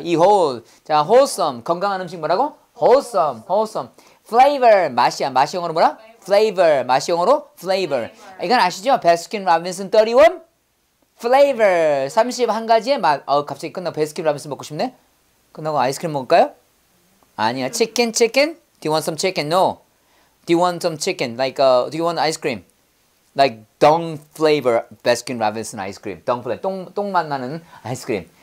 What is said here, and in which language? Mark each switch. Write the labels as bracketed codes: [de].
[ko] 이홀. 자, 홀썸. 건강한 음식 뭐라고? 홀썸. 홀썸. flavor 맛이야. 맛이 영어로 뭐라? flavor 맛이 영어로 flavor. 이건 아시죠? 베스킨 라빈슨 31 flavor 31가지의 맛. 어, 갑자기 끝나. 베스킨 라빈슨 먹고 싶네. 끝나고 아이스크림 먹을까요? [en] 아니야. chicken chicken. do you want some chicken? no. do you want some chicken? like do you want ice cream? like dung flavor Baskin Robbins ice cream. dung flavor [ko] 똥 맛 나는 아이스크림.